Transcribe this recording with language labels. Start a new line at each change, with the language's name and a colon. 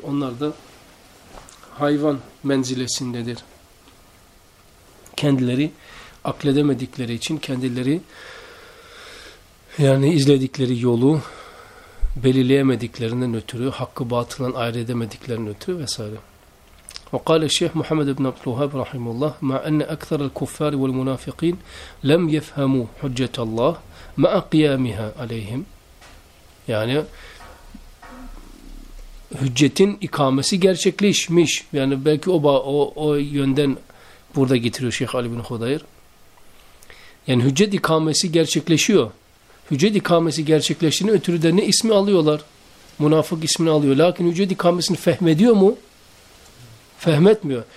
Turkish: Onlar da hayvan menzilesindedir. Kendileri akledemedikleri için, kendileri yani izledikleri yolu belirleyemediklerinden ötürü, hakkı batılan ayrı edemediklerinden ötürü vesaire. Ve kâle Şeyh Muhammed ibn Abdülvahhab rahimullah,
Arabic: مَا أَنَّ أَكْثَرَ الْكُفَّارِ وَالْمُنَافِقِينَ لَمْ يَفْهَمُوا حُجَّةَ اللّٰهِ مَا قِيَامِهَا عَلَيْهِمْ
Turkish: Yani hüccetin ikamesi gerçekleşmiş. Yani belki o yönden burada getiriyor Şeyh Ali bin Hudayr. Yani hüccet ikamesi gerçekleşiyor. Hüccet ikamesi gerçekleştiğine ötürü de ne ismi alıyorlar? Münafık ismini alıyor. Lakin hüccet ikamesini fehmediyor mu? Fehmetmiyor.